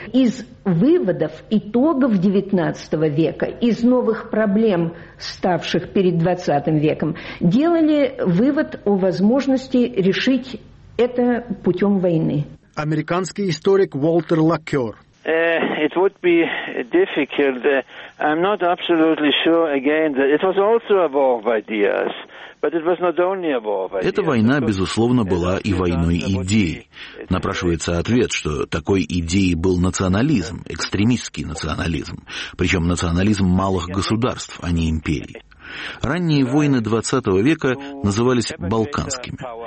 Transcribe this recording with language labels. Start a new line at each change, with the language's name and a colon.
Russian: Из выводов итогов XIX века, из новых проблем, ставших перед XX веком, делали вывод о возможности решить это путем войны. Американский историк Уолтер Лакер.
English: It would be difficult. I'm not absolutely sure again that it was also a war of ideas.
Russian: Эта война, безусловно, была и войной идей. Напрашивается ответ, что такой идеей был национализм, экстремистский национализм, причем национализм малых государств, а не империй. Ранние войны XX века назывались балканскими.